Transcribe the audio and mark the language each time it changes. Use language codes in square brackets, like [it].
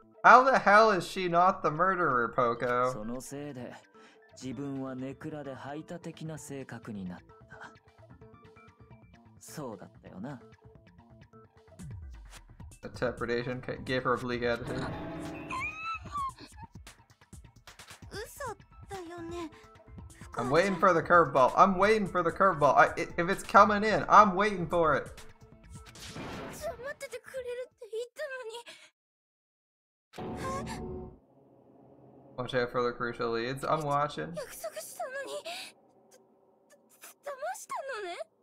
[en] How the hell is she not the murderer, Poco? [ja] そのせいで、自分はネクラで排他的な性格になった。そうだったよな。 [en] The interpretation gave her a bleak attitude. [ja] 嘘だよね。 [en] I'm waiting for the curveball. I'm waiting for the curveball. If it's coming in, I'm waiting for it. [ja] 待っててくれるって言ったのに。 [en] Watch out for the crucial leads. I'm watching. [ja] 約束したのに。騙したのね。